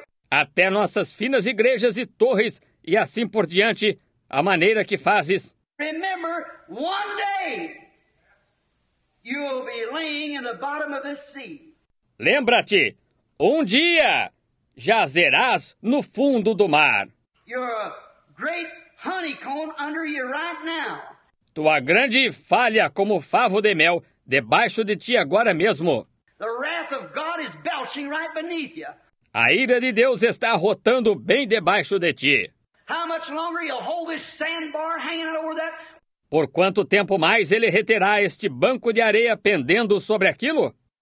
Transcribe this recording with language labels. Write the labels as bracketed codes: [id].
[pt] Até nossas finas igrejas e torres e assim por diante, a maneira que fazes. [en] Remember, one day you will be laying in the bottom of this sea. [pt] Lembra-te, um dia jazerás no fundo do mar. [en] Your great honeycomb under you right now. [pt] Tua grande falha como favo de mel debaixo de ti agora mesmo. [en] The wrath of God is belching right beneath you. [pt] A ira de Deus está rotando bem debaixo de ti. [en] How much longer you'll hold this sandbar hanging over that? [pt] Por quanto tempo mais ele reterá este banco de areia pendendo sobre aquilo?